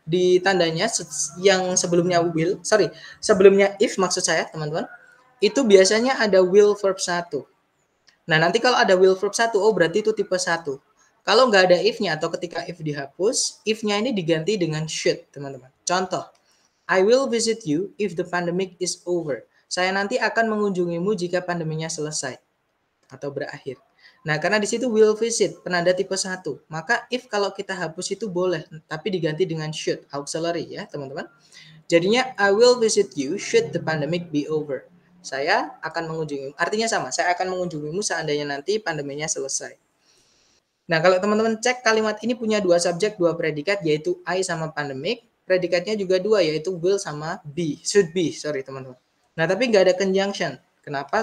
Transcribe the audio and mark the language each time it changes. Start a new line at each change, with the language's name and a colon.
Indonesian: Di tandanya yang sebelumnya will, sorry, sebelumnya if maksud saya, teman-teman, itu biasanya ada will verb 1. Nah, nanti kalau ada will verb 1, oh berarti itu tipe 1. Kalau nggak ada if-nya atau ketika if dihapus, if-nya ini diganti dengan should, teman-teman.
English: Contoh, I will visit you if the pandemic is over.
Indonesian: Saya nanti akan mengunjungimu jika pandeminya selesai atau berakhir. Nah, karena di situ will visit, penanda tipe 1. Maka if kalau kita hapus itu boleh, tapi diganti dengan should, auxiliary ya, teman-teman.
English: Jadinya, I will visit you should the pandemic be over.
Indonesian: Saya akan mengunjungimu, artinya sama, saya akan mengunjungimu seandainya nanti pandeminya selesai. Nah, kalau teman-teman cek kalimat ini punya 2 subjek, 2 predikat, yaitu I sama pandemic. Predikatnya juga 2, yaitu will sama be, should be, sorry teman-teman. Nah, tapi nggak ada conjunction. Kenapa?